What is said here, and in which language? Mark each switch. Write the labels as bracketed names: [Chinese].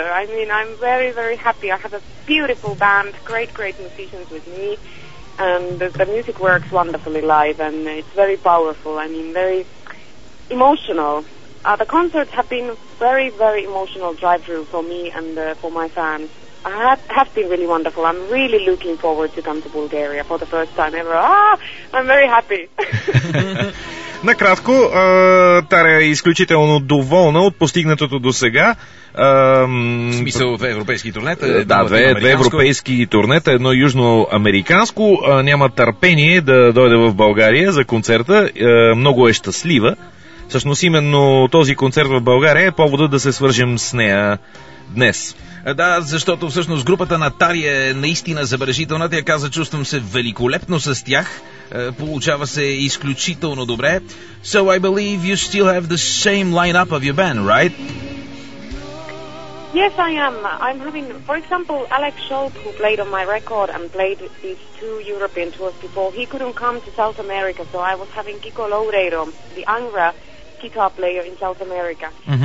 [English] I mean, I'm very, very happy. I have a beautiful band, great, great musicians with me, and the music works wonderfully live, and it's very powerful. I mean, very emotional. The concerts have been very, very emotional drive-through for me and for my fans. I have been really wonderful. I'm really looking forward to come to Bulgaria for the first time ever. Ah, I'm very happy. [Bulgarian] Накратко, Таря е изключително доволна от постигнатото до сега. В смисъл две европейски турнета? Да, две европейски турнета, едно южноамериканско. Няма търпение да дойде в България за концерта. Много е щастлива. Всъщност именно този концерт в България е повода да се свържем с нея днес. Да, защото всъщност групата на Тария е наистина забележителна. Тя каза, чувствам се великолепно с тях. Получава се изключително добре. [English] So I believe you still have the same lineup of your band, right? Yes, I am. I'm having, for example, Alex Schultz, who played on my record and played these two European tours before, he couldn't come to South America, so I was having Kiko Loureiro, the Angra guitar player in South America. Mm-hmm.